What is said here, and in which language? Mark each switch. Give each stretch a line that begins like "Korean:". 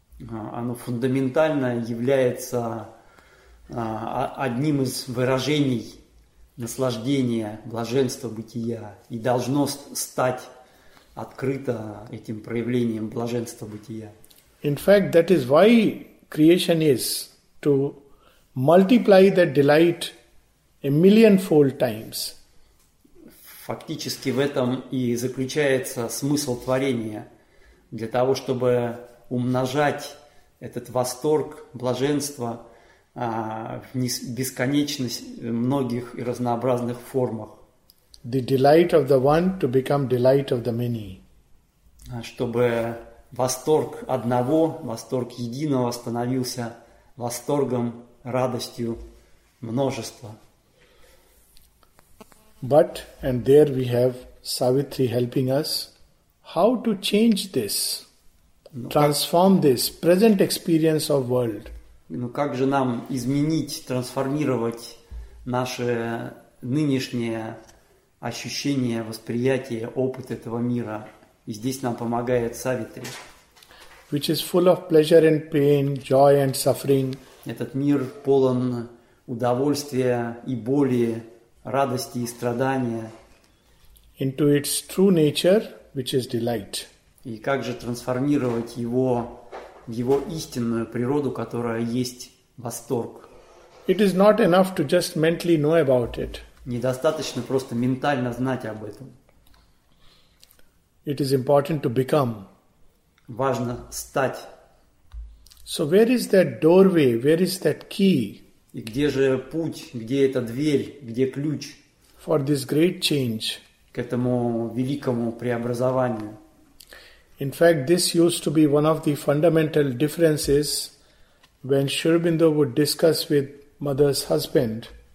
Russian: Оно фундаментально является одним из выражений наслаждения, блаженства бытия и должно стать открыто этим проявлением блаженства бытия.
English: In fact, that is why creation is to multiply that delight a millionfold times.
Russian: Фактически в этом и заключается смысл творения, для того, чтобы умножать этот восторг, блаженство в бесконечность многих и разнообразных формах.
English: The delight of the one to become delight of the many.
Russian: Чтобы восторг одного, восторг единого становился восторгом, радостью множества.
English: But and there we have Savitri helping us how to change this, transform this present experience of world.
Russian: Ну как же нам изменить, трансформировать наше нынешнее ощущение, восприятие, опыт этого мира? И здесь нам помогает Савитри.
English: Which is full of pleasure and pain, joy and suffering.
Russian: Этот мир полон удовольствия и боли, радости и страдания.
English: Into its true nature, which is delight.
Russian: И как же трансформировать его в его истинную природу, которая есть восторг?
English: It is not enough to just mentally know about it.
Russian: Недостаточно просто ментально знать об этом.
English: It is important to become.
Russian: Важно стать.
English: So where is that doorway? Where is that key?
Russian: И где же путь? Где эта дверь? Где ключ?
English: For this great change.
Russian: К этому великому преобразованию.
English: In fact, this used to be one of the fundamental differences when Sri Aurobindo would discuss with mother's husband.